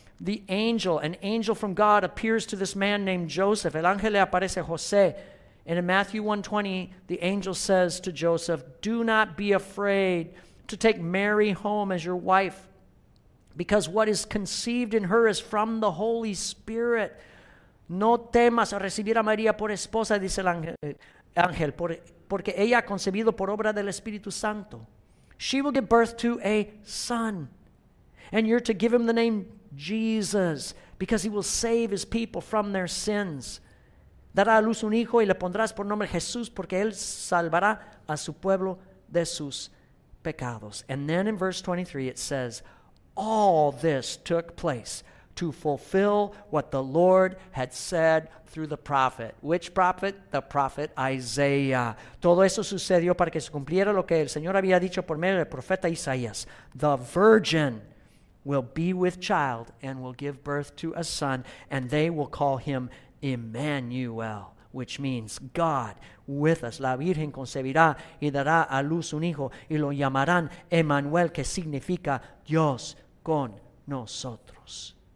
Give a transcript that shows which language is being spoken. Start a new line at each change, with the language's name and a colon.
English: The angel, an angel from God, appears to this man named Joseph.
Spanish: El ángel le aparece a José.
English: And in Matthew 1:20, the angel says to Joseph, "Do not be afraid to take Mary home as your wife, because what is conceived in her is from the Holy Spirit."
Spanish: No temas a recibir a María por esposa, dice el ángel, porque ella ha concebido por obra del Espíritu Santo.
English: She will give birth to a son, and you're to give him the name Jesus, because he will save his people from their sins.
Spanish: Dará a luz un hijo y le pondrás por nombre Jesús, porque él salvará a su pueblo de sus pecados.
English: And then in verse 23 it says, all this took place to fulfill what the Lord had said through the prophet. Which prophet? The prophet Isaiah.
Spanish: Todo eso sucedió para que se cumpliera lo que el Señor había dicho por medio del profeta Isaías.
English: The virgin will be with child and will give birth to a son, and they will call him Emmanuel, which means God with us.
Spanish: La Virgen concebirá y dará a luz un hijo, y lo llamarán Emmanuel, que significa Dios con nosotros.